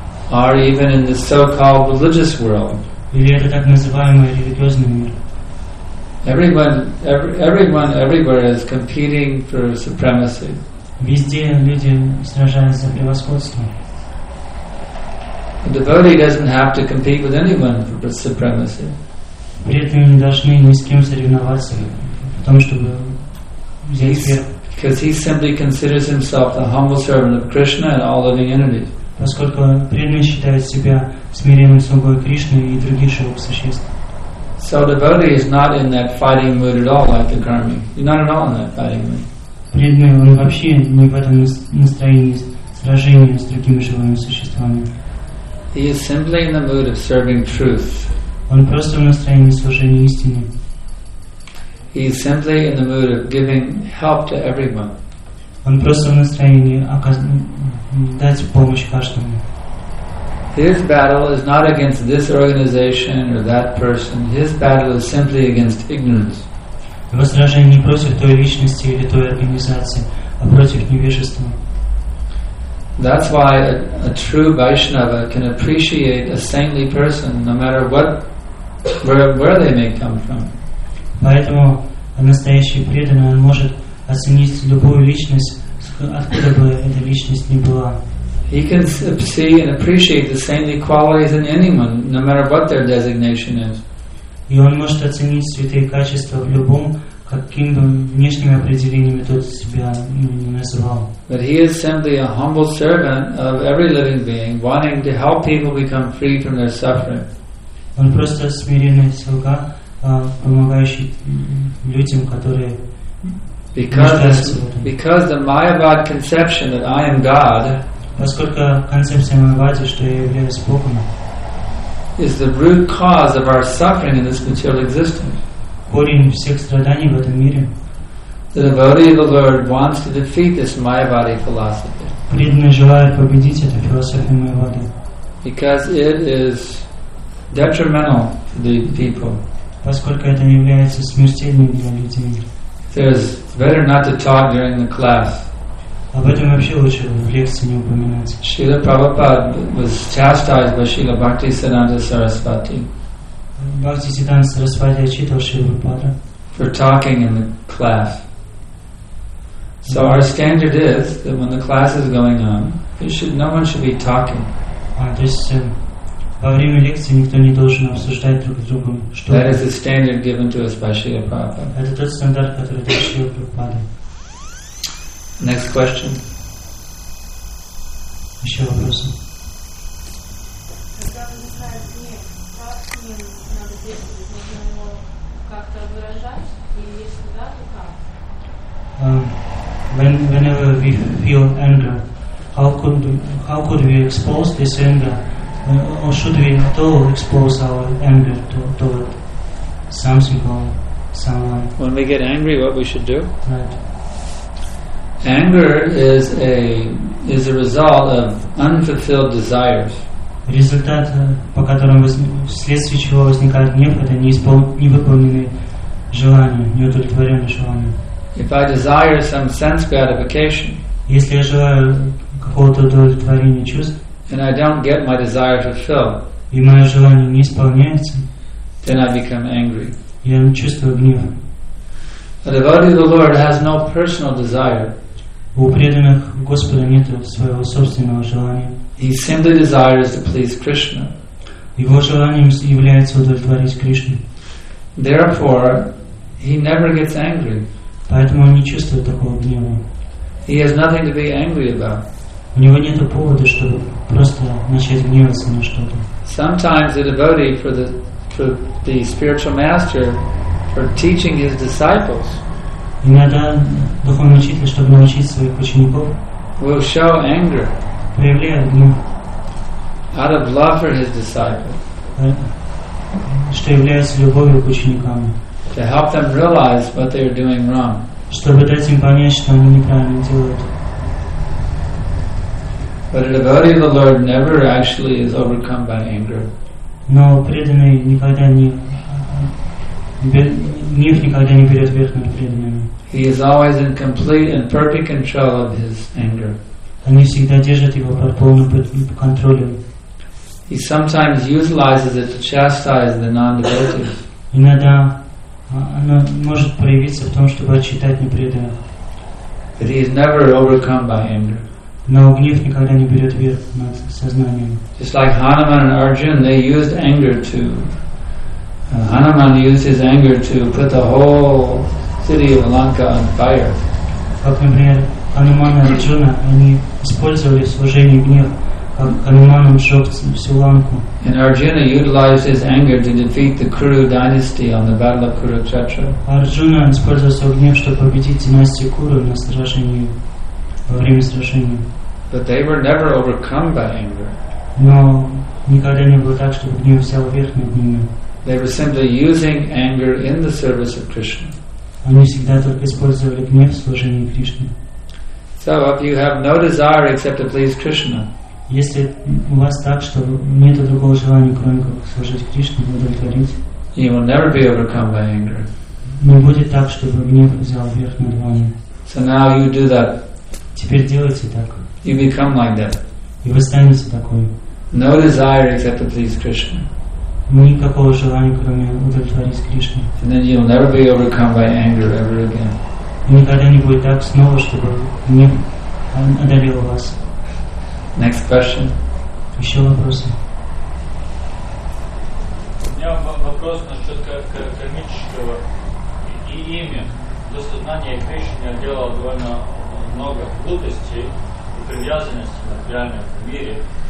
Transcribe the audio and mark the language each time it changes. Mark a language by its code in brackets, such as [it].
[en] or even in the so-called religious world, [ru] или это так называемый религиозный мир. [en] Everyone everywhere is competing for supremacy. [ru] Везде люди сражаются за превосходство. [en] A devotee doesn't have to compete with anyone for supremacy. [ru] При этом не должны ни с кем соревноваться, потому что взять верх. [en] Because he simply considers himself the humble servant of Krishna and all living entities. [ru] Поскольку преданный считает себя смиренным слугой Кришны и других живых существ. [en] So devotee is not in that fighting mood at all, like the karmi. He's not at all in that fighting mood. [ru] Преданный он вообще не в этом настроении сражения с другими живыми существами. [en] He is simply in the mood of serving truth. [ru] Он просто в настроении служения истине. [en] He is simply in the mood of giving help to everyone. [ru] Он просто в настроении дать помощь каждому. [en] His battle is not against this organization or that person. His battle is simply against ignorance. [ru] Его сражение не против той личности или той организации, а против невежества. [en] That's why a true Vaishnava can appreciate a saintly person no matter what where they may come from. [ru] Поэтому настоящий преданный может оценить любую личность, откуда бы эта личность ни была. [en] He can see and appreciate the saintly qualities in anyone, no matter what their designation is. [ru] И он может оценить святые качества в любом, каким бы внешними определениями тот себя не называл. [en] But he is simply a humble servant of every living being, wanting to help people become free from their suffering. [ru] Он просто смиренный слуга, помогающий людям, которые [en] Because the Mayavad conception that I am God. [ru] Поскольку концепция Майявады, что я являюсь Богом, [en] is the root cause of our suffering in this material existence. [ru] Корень всех страданий в этом мире. [en] The devotee of the Lord wants to defeat this Mayavadi philosophy. [ru] Преданный желает победить эту философию Майявады. [en] Because it is detrimental to the people. [ru] Поскольку это является смертельным для людей. [en] It's better not to talk during the class. [ru] Об этом вообще лучше в лекции не упоминать. [en] Шрила Прабхупада was chastised by Шрила Бхакти Сиддханта Сарасвати. [ru] Бхакти Сиддханта Сарасвати отчитал Шрила Прабхупада. [en] For talking in the class. So our standard is that when the class is going on, no one should be talking. [ru] То есть во время лекции никто не должен обсуждать друг с другом, что. [en] That is the standard given to us by Шрила Прабхупада. [ru] Это тот стандарт, который дал Шрила Прабхупада. [en] Next question. [ru] Еще вопросы. Когда возникает гнев, как с ним надо действовать? Нужно его как-то выражать? И если да, то как? [en] whenever we feel anger, how could we expose this anger, or should we at all expose our anger toward some people, someone? When we get angry, what we should do? Right. Anger is a result of unfulfilled desires. [ru] Результат, по которому вследствие чего возникает гнев, это невыполненные желания, неудовлетворенные желания. [en] If I desire some sense gratification, [ru] если я желаю какого-то удовлетворения чувств, [en] and I don't get my desire fulfilled, [ru] и мое желание не исполняется, [en] then I become angry. [ru] Я чувствую гнев. [en] A devotee of the Lord has no personal desire. [ru] У преданных Господа нет своего собственного желания. [en] He simply desires to please Krishna. [ru] Его желанием является удовлетворить Кришну. [en] Therefore, he never gets angry. [ru] Поэтому он не чувствует такого гнева. [en] He has nothing to be angry about. [ru] У него нет повода, чтобы просто начать гневаться на что-то. [en] Sometimes the devotee for the spiritual master for teaching his disciples. [ru] Иногда духовный учитель, чтобы научить своих учеников, [en] will show anger. [ru] Проявляет гнев. [en] Out of love for his disciples. [ru] Что является любовью к ученикам. [en] To help them realize what they are doing wrong. [ru] Чтобы дать им понять, что они неправильно делают. [en] But a devotee of the Lord never actually is overcome by anger. [ru] Но преданный никогда не гнев никогда не берет верх над преданными. [en] He is always in complete and perfect control of his anger. [ru] Они всегда держат его под полным контролем. [en] He sometimes utilizes it to chastise the non-devotees. [ru] Иногда оно может проявиться в том, чтобы отчитать непреданных. [en] But he is never overcome by anger. [ru] Но гнев никогда не берет верх над сознанием. [en] Just like Hanuman and Arjuna, they used anger to. Hanuman used his anger to put the whole city of Lanka on fire. [ru] Как, например, Хануман и Арджуна, они использовали служение гнев, как Хануман сжег всю Ланку. [en] And Arjuna utilized his anger to defeat the Kuru dynasty on the battle of Kurukshetra. [ru] Арджуна использовал свой гнев, чтобы победить династию Куру на сражении, во время сражения. [en] But they were never overcome by anger. [ru] Но никогда не было так, чтобы гнев взял верх над ними. [en] They were simply using anger in the service of Krishna. [ru] Они всегда только использовали гнев в служении Кришне. [en] So if you have no desire except to please Krishna, [ru] если у вас так, что нет другого желания, кроме как служить Кришне, удовлетворить, [en] you will never be overcome by anger. [ru] Не будет так, чтобы гнев взял верх над вами. [en] So now you do that. [ru] Теперь делайте так. [en] You become like that. [ru] И вы станете такой. [en] No desire except to please Krishna. [ru] Никакого желания, кроме удовлетворить Кришне. [en] And then you'll never be overcome by anger ever again. [ru] И никогда не будет так снова, чтобы гнев одолел вас. [en] Next question. [ru] Еще вопросы. У меня вопрос насчет кармического имя. До сознания Кришны я делал довольно много глупостей и привязанности в материальном мире.